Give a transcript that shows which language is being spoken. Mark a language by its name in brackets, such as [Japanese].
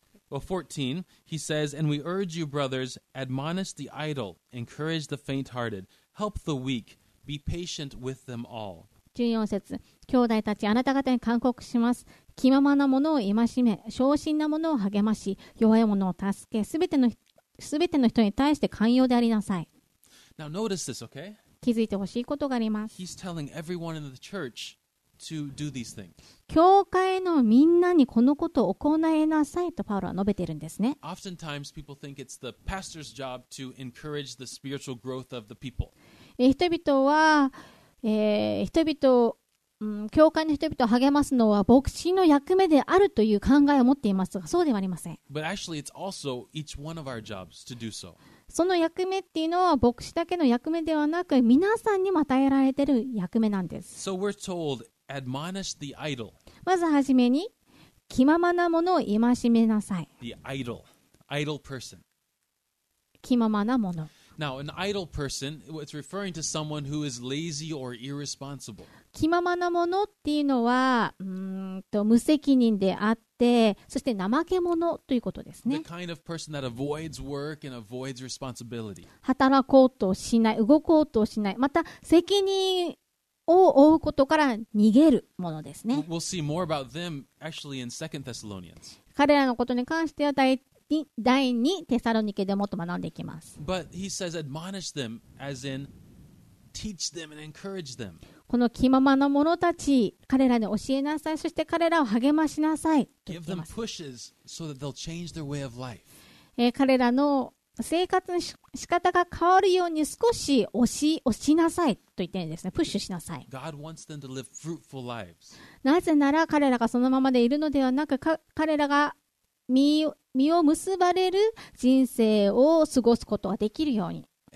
[English] 14, he says, And we urge you, brothers, admonish the idle, encourage the faint-hearted, help the weak, be patient with them all. [Japanese] 14節、兄弟たち、あなた方に勧告します。気ままなものを戒め、小心なものを励まし、弱いものを助け、すべての人に対して寛容でありなさい。 [English] Now notice this, okay? [Japanese] 気づいてほしいことがあります。 [English] He's telling everyone in the church to do these things. [Japanese] 教会のみんなにこのことを行いなさいとパウロは述べているんですね。 [English] Oftentimes people think it's the pastor's job to encourage the spiritual growth of the people. [Japanese] 人々は、人々、教会の人々を励ますのは牧師の役目であるという考えを持っていますが、そうではありません。 [English] But actually it's also each one of our jobs to do so. [Japanese] その役目っていうのは牧師だけの役目ではなく皆さんにも与えられている役目なんです。 [English] So、we're told, admonish the idle. [Japanese] まずはじめに気ままなものを戒めなさい。 [English] The idle. Idle person. [Japanese] 気ままなもの。 [English] Now, an idle person, it's referring to someone who is lazy or irresponsible. [Japanese] 気ままなものっていうのは無責任であって、そして怠け者ということですね。 [English] The kind of person that avoids work and avoids responsibility. [Japanese] 働こうとしない、動こうとしない、また責任を負うことから逃げるものですね。 [English] We'll see more about them actually in 2 Thessalonians. [Japanese] 彼らのことに関しては第2テサロニケでもっと学んでいきます。 [English] But he says admonish them as in teach them and encourage them. [Japanese] この気ままな者たち、彼らに教えなさい、そして彼らを励ましなさいと言っています。 [English] Give them pushes so that they'll change their way of life. [Japanese] 彼らの生活の仕方が変わるように少し押しなさいと言ってるんですね。プッシュしなさい。 [English] God wants them to live fruitful lives. [Japanese] なぜなら彼らがそのままでいるのではなく、彼らが身を結ばれる人生を過ごすことができるように。